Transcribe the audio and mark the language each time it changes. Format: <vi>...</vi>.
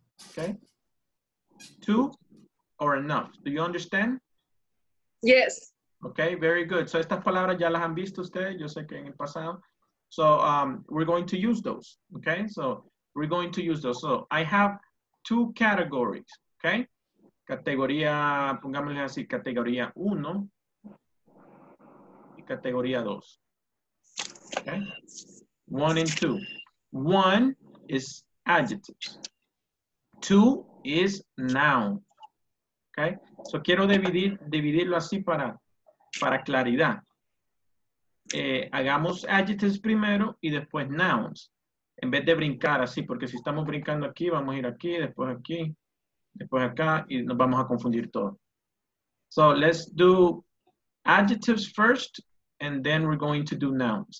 <en>Okay? Two or enough. Do you understand? Yes. Okay, very good.</en> <es>So estas palabras ya las han visto ustedes. Yo sé que en el pasado.</es> <en>So we're going to use those. Okay? So we're going to use those. So I have two categories. Okay?</en> <es>Categoría, pongámosle así, categoría uno y categoría dos.</es> <en>Okay? One and two. One is adjectives. Two is noun. Okay? So</en> <es>quiero dividirlo así para claridad. Hagamos adjectives primero y después nouns. En vez de brincar así, porque si estamos brincando aquí, vamos a ir aquí, después aquí. Después acá y nos vamos a confundir todo.</es> <en>So let's do adjectives first and then we're going to do nouns.</en>